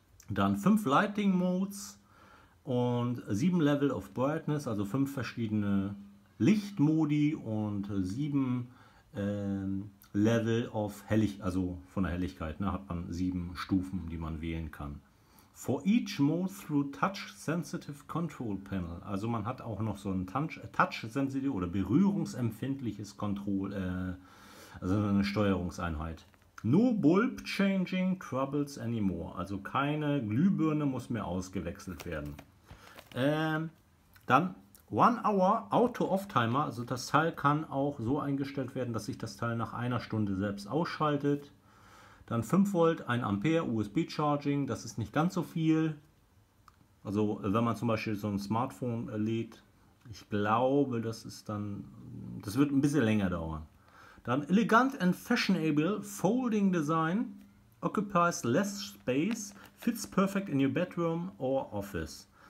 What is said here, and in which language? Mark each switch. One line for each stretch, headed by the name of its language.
German: Dann 5
English: Lighting Modes
German: und 7
English: Level of Brightness,
German: also 5 verschiedene Lichtmodi und 7 Level of Helligkeit, also von der Helligkeit, ne, hat man 7 Stufen, die man wählen kann.
English: For each mode through touch-sensitive control panel.
German: Also man hat auch noch so ein touch-sensitive oder berührungsempfindliches Control, also eine Steuerungseinheit.
English: No bulb changing troubles anymore.
German: Also keine Glühbirne muss mehr ausgewechselt werden. Dann
English: 1 hour auto-off-timer.
German: Also das Teil kann auch so eingestellt werden, dass sich das Teil nach einer Stunde selbst ausschaltet. Dann 5 Volt, 1 Ampere, USB-Charging, das ist nicht ganz so viel. Also wenn man zum Beispiel so ein Smartphone lädt, ich glaube, das wird ein bisschen länger dauern. Dann
English: elegant and fashionable folding design, occupies less space, fits perfect in your bedroom or office.